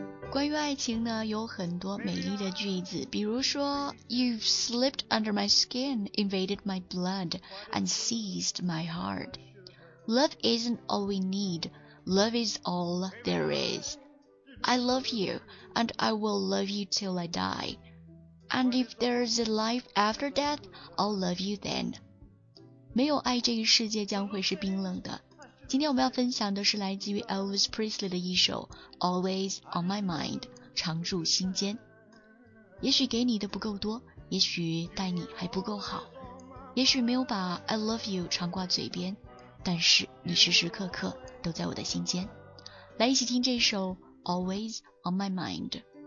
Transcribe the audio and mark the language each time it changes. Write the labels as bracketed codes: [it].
[zh] 关于爱情呢，有很多美丽的句子，比如说 [en] You've slipped under my skin, invaded my blood, and seized my heart. Love isn't all we need, love is all there is. I love you, and I will love you till I die. And if there's a life after death, I'll love you then. [zh] 没有爱，这个世界将会是冰冷的。今天我们要分享的是来自于 Elvis Presley 的一首 Always on my mind, 常驻心间。也许给你的不够多，也许待你还不够好，也许没有把 [en] I love you [zh] 常挂嘴边，但是你时时刻刻都在我的心间。来一起听这首 Always on my mind。